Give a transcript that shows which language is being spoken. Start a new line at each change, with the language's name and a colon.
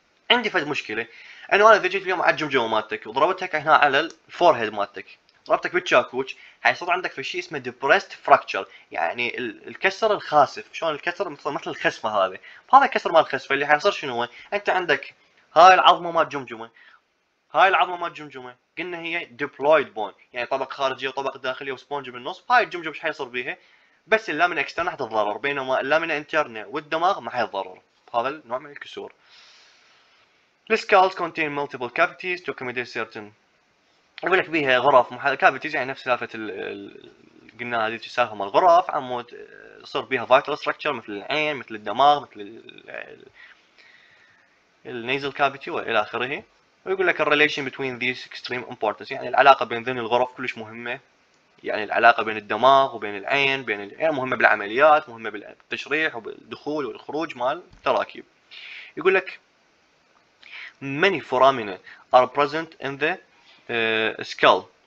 Arabic: عندي فد مشكله انه انا اذا جيت اليوم على الجمجمه مالتك وضربتك هنا على الفور هيد مالتك، ضربتك بالشاكوش، حيصير عندك في شيء اسمه ديبرست فراكتشر، يعني الكسر الخاسف، شلون الكسر مثل الخسفه هذه، فهذا كسر مال الخسفه اللي حيصير شنو هو؟ انت عندك هاي العظمه مال الجمجمه، هاي العظمه مال الجمجمه قلنا هي ديبلويد بون، يعني طبق خارجي وطبق داخلي وسبونج بالنص، هاي الجمجمه ايش حيصير بيها؟ بس اللامنه اكسترنا حتتضرر، بينما اللامنه انترنا والدماغ ما حيتضرر، هذا النوع من الكسور.
English: The skulls contain multiple cavities to accommodate certain.
Arabic: يقول لك بيها غرف كافيتيز، يعني نفس سالفه قلنا هذه السالفه مال الغرف، عمود يصير بيها vital structure مثل العين مثل الدماغ مثل النيزل كافيتي والى اخره. ويقول لك الريليشن بين ذيس اكستريم امبورتنس، يعني العلاقه بين ذني الغرف كلش مهمه، يعني العلاقه بين الدماغ وبين العين بين العين مهمه بالعمليات، مهمه بالتشريح وبالدخول والخروج مال التراكيب. يقول لك
English: many foramina are present in the skull.